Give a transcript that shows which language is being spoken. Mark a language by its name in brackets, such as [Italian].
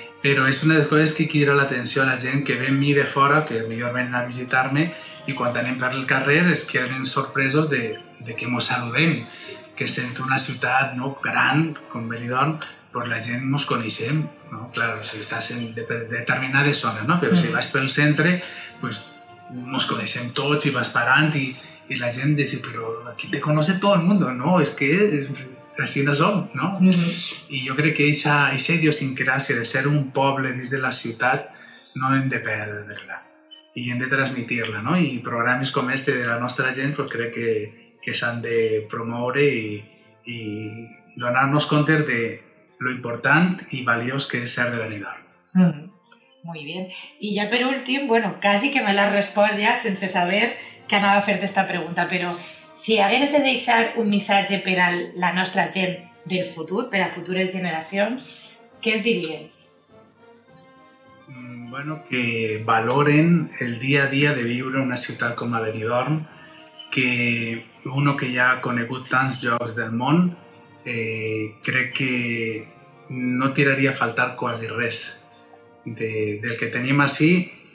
[Catalan] Però és una de les coses que crida l'atenció a la gent que ve amb mi de fora, que millor venen a visitar-me, i quan anem per el carrer es queden sorpresos de que mos saludem, que sent una ciutat gran com Benidorm, doncs la gent mos coneixem, no? Clar, si estàs en determinades zones, no? Però si vas pel centre, doncs mos coneixem tots i vas parant i... [Spanish] Y la gente dice, pero aquí te conoce todo el mundo, ¿no? Es que así no son, ¿no? Y yo creo que esa idiosincrasia de ser un pueblo desde la ciudad no hem de perderla y hem de transmitirla, ¿no? Y programas como este de la nuestra gente, pues creo que se han de promover y donarnos cuenta de lo importante y valioso que es ser de Benidorm. Muy bien. Y ya por último, bueno, casi que me la respondes ya sin saber... [Catalan] que anava a fer-te aquesta pregunta, però si hagués de deixar un missatge per a la nostra gent del futur, per a futures generacions, què els diries? [Spanish] Bueno, que valoren el día a día de vivir en una [Catalan] ciutat com a Benidorm, que uno que ja ha conegut tants llocs del món, crec que no tiraria a faltar quasi res del que tenim ací.